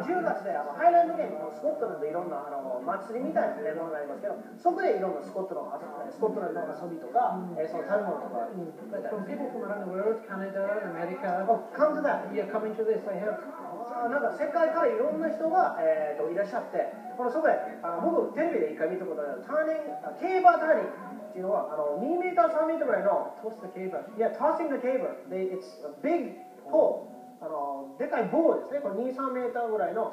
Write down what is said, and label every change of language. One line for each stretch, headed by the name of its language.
Japanese: 10月で、Highland Games、スコットランドでいろんなあの祭りみたいなものがありますけど、そこでいろんなスコットランドの遊びとか、その食べ物とか。
English: From people from around the world, Canada, America. Oh, come to that. Yeah, coming to this, I heard.
Japanese: なんか世界からいろんな人が、いらっしゃって、このそこで僕テレビで一回見たことあるターニング、ケーバーターニングっていうのは2メーター3メートルぐらいの、トスのケーバー、いや、トスのケーバー、で、
English: it's a big pole、
Japanese: でかい棒ですね、これ2、3メーターぐらいの、